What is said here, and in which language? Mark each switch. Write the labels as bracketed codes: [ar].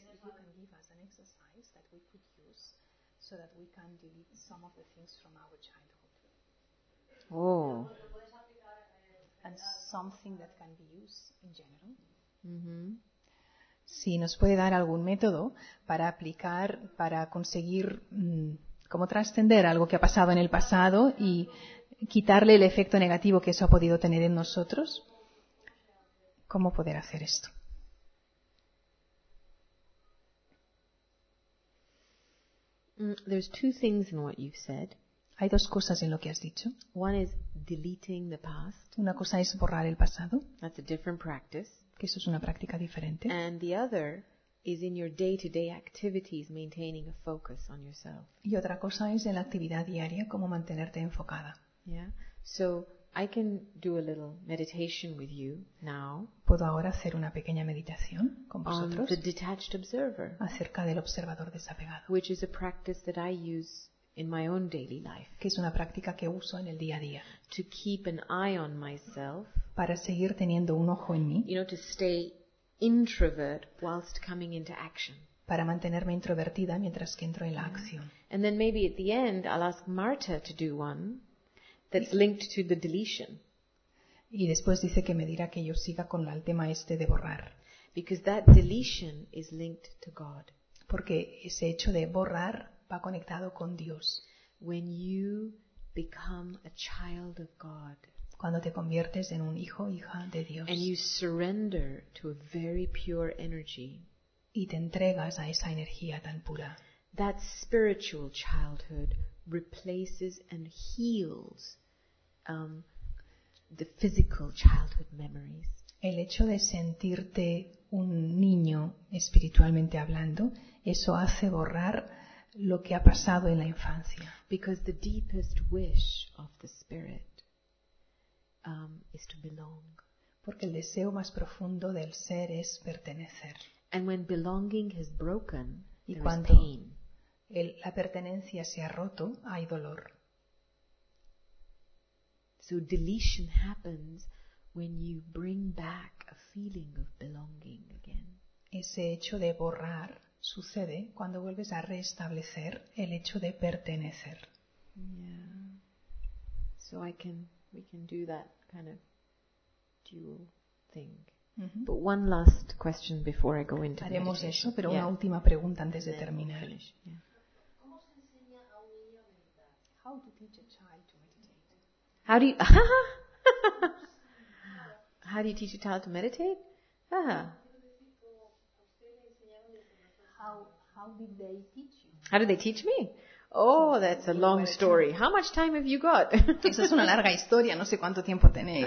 [en] If you can give us an exercise that we could use so that we can delete some of the things from our childhood. Oh. And something that can be used in general. Mm-hmm. [es] Si nos puede dar algún método para aplicar, para conseguir como trascender algo que ha pasado en el pasado y quitarle el efecto negativo que eso ha podido tener en nosotros, ¿cómo poder hacer esto? [en] There's two things in what you've said. [es] Hay dos cosas en lo que has dicho. [en] One is deleting the past. [es] Una cosa es borrar el pasado. [en] That's a different practice. [es] Que eso es una práctica diferente. [en] And the other is in your day-to-day activities, maintaining a focus on yourself. [es] Y otra cosa es en la actividad diaria, cómo mantenerte enfocada. Yeah. [en] So I can do a little meditation with you now. [es] Puedo ahora hacer una pequeña meditación con vosotros. [en] On the detached observer. [es] Acerca del observador desapegado. [en] Which is a practice that I use in my own daily life, [es] que es una práctica que uso en el día a día, [en] to keep an eye on myself, [es] para seguir teniendo un ojo en mí, [en] you know, to stay introvert whilst coming into action, [es] para mantenerme introvertida mientras que entro en la acción. [en] And then maybe at the end I'll ask Marta to do one that's linked to the deletion. [es] Y después dice que me dirá que yo siga con el tema este de borrar, [en] because that deletion is linked to God, [es] porque ese hecho de borrar va conectado con Dios. [en] When you become a child of God, [es] cuando te conviertes en un hijo o hija de Dios, [en] and you surrender to a very pure energy, [es] y te entregas a esa energía tan pura, [en] that spiritual childhood replaces and heals the physical childhood memories. [es] El hecho de sentirte un niño espiritualmente hablando, eso hace borrar lo que ha pasado en la infancia. [en] Because the deepest wish of the spirit is to belong. [es] Porque el deseo más profundo del ser es pertenecer. [en] And when belonging has broken, [es] y cuando [en] there is pain. [es] La pertenencia se ha roto, hay dolor. [en] So deletion happens when you bring back a feeling of belonging again. [es] Ese hecho de borrar sucede cuando vuelves a restablecer el hecho de pertenecer. Yeah. [en] So we can do that kind of dual thing. Mm-hmm. But one last question before I go into meditation. [es] Haremos eso, pero una última pregunta antes de terminar. ¿Cómo se enseña a un niño a meditar? [en] How to teach a child to meditate? How do you teach a child to meditate? How did they teach you? How did they teach me? Oh, that's a long story. How much time have you got? [es] Esa es una larga historia. No sé cuánto tiempo tenéis.